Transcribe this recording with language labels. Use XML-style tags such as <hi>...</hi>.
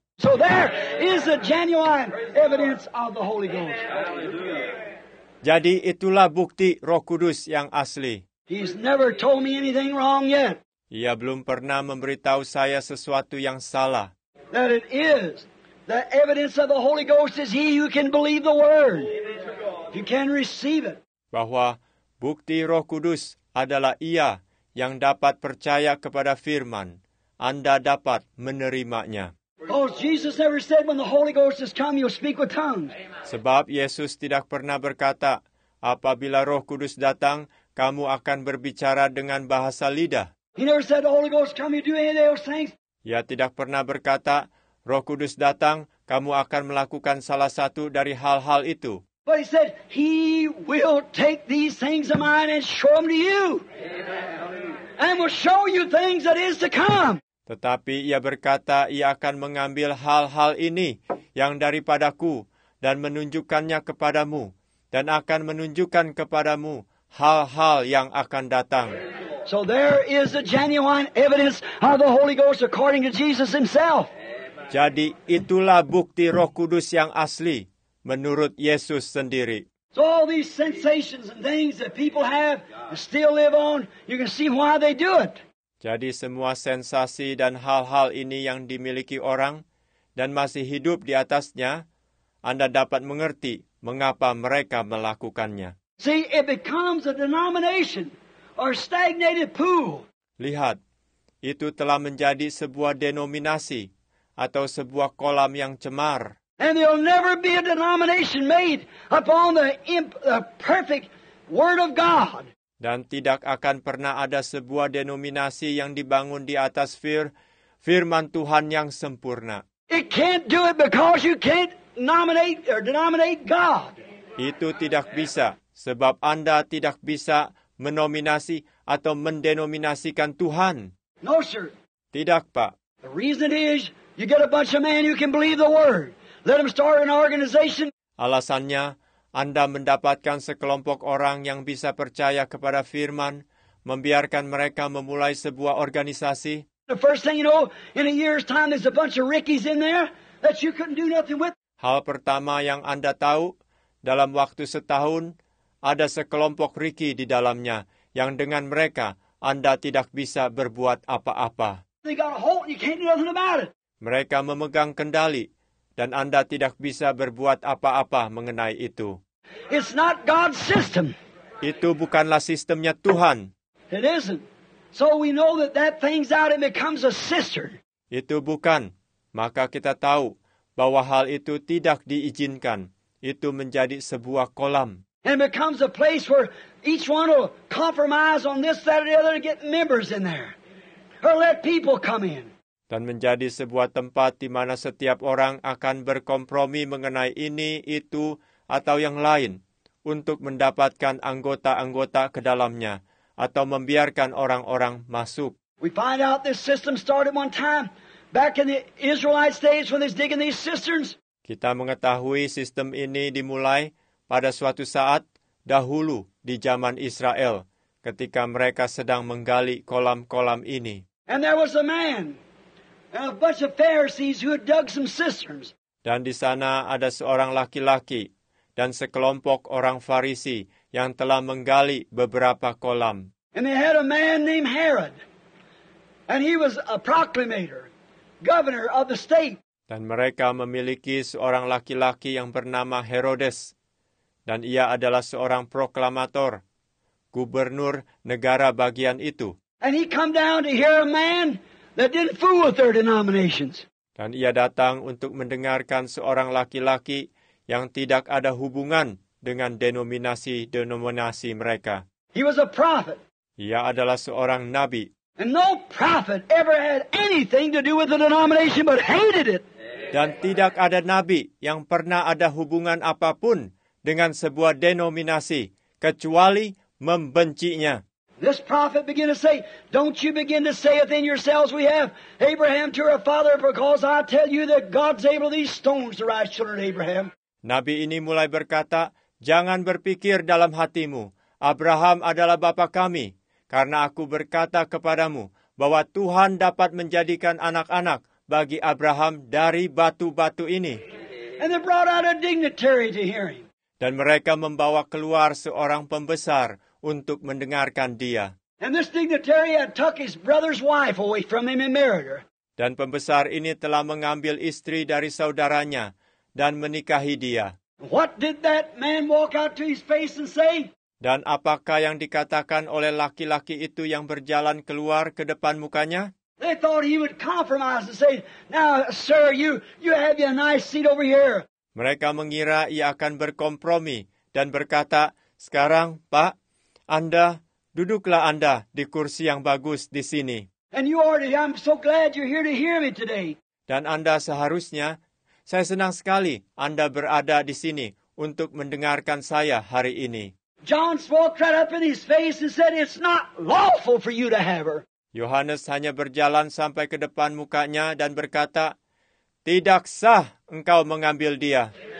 <en>So there is a genuine evidence of the Holy Ghost.</en> <id>Jadi itulah bukti Roh Kudus yang asli.</id> <en>He's never told me anything wrong yet.</en> <id>Ia belum pernah memberitahu saya sesuatu yang salah.</id> <en>That it is the evidence of the Holy Ghost is he who can believe the word. You can receive it.</en> <id>Bahwa bukti Roh Kudus adalah ia yang dapat percaya kepada firman. Anda dapat menerimanya.</id> <en>Because Jesus never said when the Holy Ghost has come, you'll speak with tongues.</en> <id>Sebab Yesus tidak pernah berkata, apabila Roh Kudus datang, kamu akan berbicara dengan bahasa lidah.</id> <en>He never said the Holy Ghost come, you do any of those things.</en> <id>Ia tidak pernah berkata, Roh Kudus datang, kamu akan melakukan salah satu dari hal-hal itu.</id> <en>But he said, he will take these things of mine and show them to you. Amen. And will show you things that is to come.</en> <id>Tetapi ia berkata ia akan mengambil hal-hal ini yang daripadaku dan menunjukkannya kepadamu dan akan menunjukkan kepadamu hal-hal yang akan datang.</id> <en>So there is a genuine evidence of the Holy Ghost according to Jesus himself.</en> <id>Jadi itulah bukti Roh Kudus yang asli menurut Yesus sendiri.</id> <en>So all these sensations and things that people have and still live on, you can see why they do it.</en> <id>Jadi semua sensasi dan hal-hal ini yang dimiliki orang dan masih hidup di atasnya, Anda dapat mengerti mengapa mereka melakukannya.</id> <en>See, it becomes a denomination or stagnated pool.</en> <id>Lihat, itu telah menjadi sebuah denominasi atau sebuah kolam yang cemar.</id> <en>And there'll never be a denomination made upon the perfect word of God.</en> <id>Dan tidak akan pernah ada sebuah denominasi yang dibangun di atas firman Tuhan yang sempurna.</id> <en>It can't do it because you can't nominate or denominate God.</en> <id>Itu tidak bisa, sebab Anda tidak bisa menominasi atau mendenominasikan Tuhan.</id> <en>No, sir.</en> <id>Tidak, Pak.</id> <en>The reason is you get a bunch of men who can believe the word. Let them start an organization.</en> <id>Alasannya, Anda mendapatkan sekelompok orang yang bisa percaya kepada firman, membiarkan mereka memulai sebuah organisasi.</id> <en>The first thing you know, in a year's time, there's a bunch of rickies in there that you couldn't do nothing with.</en> <id>Hal pertama yang Anda tahu, dalam waktu setahun, ada sekelompok ricky di dalamnya, yang dengan mereka, Anda tidak bisa berbuat apa-apa.</id> <en>They got a hold, you can't do nothing about it.</en> <id>Mereka memegang kendali, dan Anda tidak bisa berbuat apa-apa mengenai itu.</id> <en>It's not God's system.</en> <id>Itu bukanlah sistemnya Tuhan.</id> <en>It isn't. So we know that that thing's out and becomes a cistern.</en> <id>Itu bukan. Maka kita tahu bahwa hal itu tidak diizinkan. Itu menjadi sebuah kolam.</id> <en>And it becomes a place where each one will compromise on this, that, or the other to get members in there. Or let people come in.</en> <id>Dan menjadi sebuah tempat di mana setiap orang akan berkompromi mengenai ini, itu, atau yang lain untuk mendapatkan anggota-anggota ke dalamnya atau membiarkan orang-orang masuk.</id> <en>We find out this system started one time back in the Israelite days when they're digging these cisterns.</en> <id>Kita mengetahui sistem ini dimulai pada suatu saat dahulu di zaman Israel, ketika mereka sedang menggali kolam-kolam ini.</id> <en>And there was a man, a bunch of Pharisees who had dug some cisterns.</en> <id>Dan di sana ada seorang laki-laki dan sekelompok orang Farisi yang telah menggali beberapa kolam.</id> <en>And they had a man named Herod, and he was a proclamator, governor of the state.</en> <id>Dan mereka memiliki seorang laki-laki yang bernama Herodes, dan ia adalah seorang proklamator, gubernur negara bagian itu.</id> <en>And he come down to hear a man that didn't fool with their denominations.</en> <id>Dan ia datang untuk mendengarkan seorang laki-laki yang tidak ada hubungan dengan denominasi-denominasi mereka.</id> <en>He was a prophet.</en> <id>Ia adalah seorang nabi.</id> <en>And no prophet ever had anything to do with the denomination but hated it.</en> <id>Dan tidak ada nabi yang pernah ada hubungan apapun dengan sebuah denominasi kecuali membencinya.</id> <en>This prophet began to say, "Don't you begin to say within yourselves, 'We have Abraham to our father,' because I tell you that God's able these stones to rise children of Abraham."</en> <id>Nabi ini mulai berkata, "Jangan berpikir dalam hatimu, Abraham adalah bapa kami, karena aku berkata kepadamu bahwa Tuhan dapat menjadikan anak-anak bagi Abraham dari batu-batu ini."</id> <en>And they brought out a dignitary to hear him.</en> <id>Dan mereka membawa keluar seorang pembesar untuk mendengarkan dia.</id> <en>And this dignitary had took his brother's wife away from him and married her.</en> <id>Dan pembesar ini telah mengambil istri dari saudaranya dan menikahi dia.</id> <en>What did that man walk out to his face and say?</en> <id>Dan apakah yang dikatakan oleh laki-laki itu yang berjalan keluar ke depan mukanya?</id> <en>They thought he would compromise and say, "Now, sir, you have your nice seat over here."</en> <id>Mereka mengira ia akan berkompromi dan berkata, "Sekarang, Pak, Anda, duduklah Anda di kursi yang bagus di sini."</id> <en>And you already, I'm so glad you're here to hear me today.</en> <id>Dan Anda seharusnya, saya senang sekali Anda berada di sini untuk mendengarkan saya hari ini.</id> <en>John walked right up in his face and said, "It's not lawful for you to have her."</en> <id>Yohanes hanya berjalan sampai ke depan mukanya dan berkata, "Tidak sah engkau mengambil dia."</id>